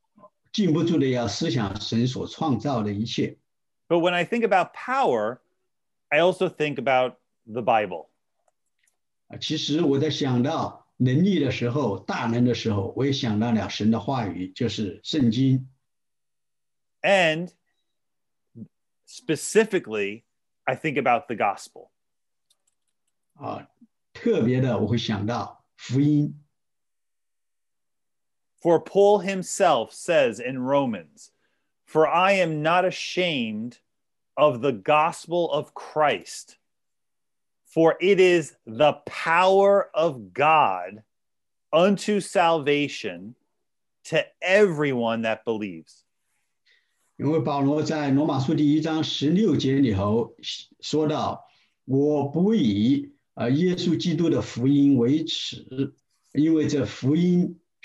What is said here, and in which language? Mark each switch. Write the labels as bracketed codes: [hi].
[zh] 所以我在想到神的大能这个题目的时候，我就禁不住的要思想神所创造的一切。 [en] But when I think about power, I also think about the Bible. [zh] 其实我在想到能力的时候，大能的时候，我也想到了神的话语，就是圣经。 [en] And specifically, I think about the gospel. [zh] 特别的我会想到福音。 [en] For Paul himself says in Romans, "For I am not ashamed of the gospel of Christ. For it is the power of God unto salvation to everyone that believes." [zh] 因为保罗在罗马书第一章16节里头说到，我不以耶稣基督的福音为耻，因为这福音